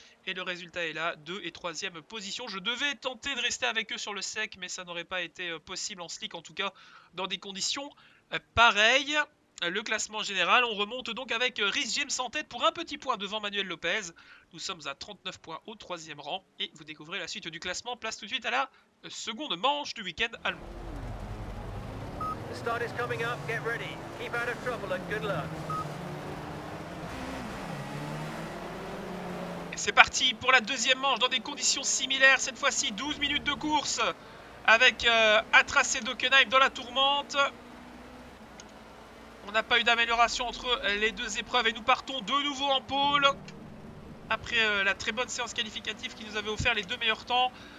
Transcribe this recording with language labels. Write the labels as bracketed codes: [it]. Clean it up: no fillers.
[fr] Et le résultat est là, 2 et 3e position. Je devais tenter de rester avec eux sur le sec, mais ça n'aurait pas été possible en slick, en tout cas dans des conditions pareilles. Le classement général, on remonte donc avec Rhys James en tête pour un petit point devant Manuel Lopez. Nous sommes à 39 points au 3e rang et vous découvrez la suite du classement. Place tout de suite à la seconde manche du week-end allemand. [en] The start is coming up, get ready. Keep out of trouble and good luck. [fr] Et c'est parti pour la deuxième manche dans des conditions similaires. Cette fois-ci, 12 minutes de course avec Atras et Dockenheim dans la tourmente. On n'a pas eu d'amélioration entre les deux épreuves et nous partons de nouveau en pôle après la très bonne séance qualificative qui nous avait offert les deux meilleurs temps.